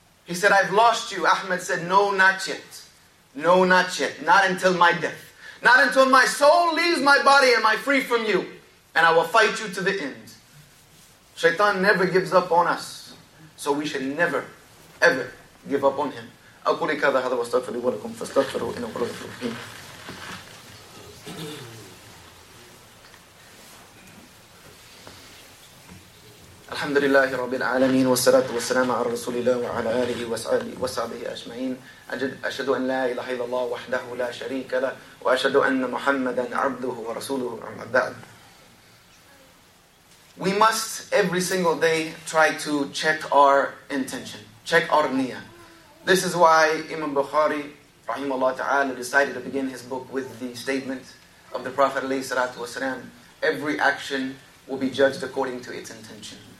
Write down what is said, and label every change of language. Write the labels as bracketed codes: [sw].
[en] He said, I've lost you. Ahmed said, no, not yet. No, not yet. Not until my death. Not until my soul leaves my body, am I free from you. And I will fight you to the end. Shaitan never gives up on us. So we should never, ever give up on him. [ar] أقول كذا هذا واستغفر لي ولكم فاستغفروا إنه هو الغفور الرحيم. الحمد لله رب العالمين والصلاة والسلام على رسول الله وعلى آله وصحبه أجمعين. أشهد أن لا إله إلا الله وحده لا شريك له وأشهد أن محمدا عبده ورسوله أما بعد. [en] We must every single day try to check our intention, check our niyyah. This is why Imam Bukhari, rahimahullah ta'ala, decided to begin his book with the statement of the Prophet alayhi salatu wasalam, every action will be judged according to its intention.